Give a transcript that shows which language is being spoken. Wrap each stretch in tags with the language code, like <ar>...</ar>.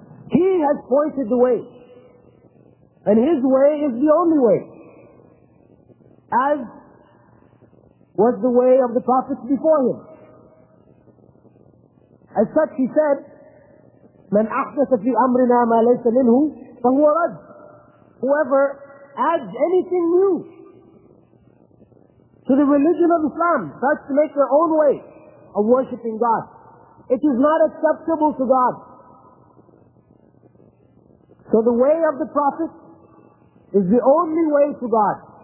<en>He has pointed the way, and his way is the only way, as was the way of the prophets before him. As such, he said,</en> <ar>مَنْ أَحْدَثَ فِي أَمْرِنَا مَا لَيْسَ مِنْهُ فَهُوَ رَدٌّ.</ar> <en>Whoever adds anything new to the religion of Islam, starts to make their own way of worshipping God, it is not acceptable to God. So the way of the Prophet is the only way to God.</en>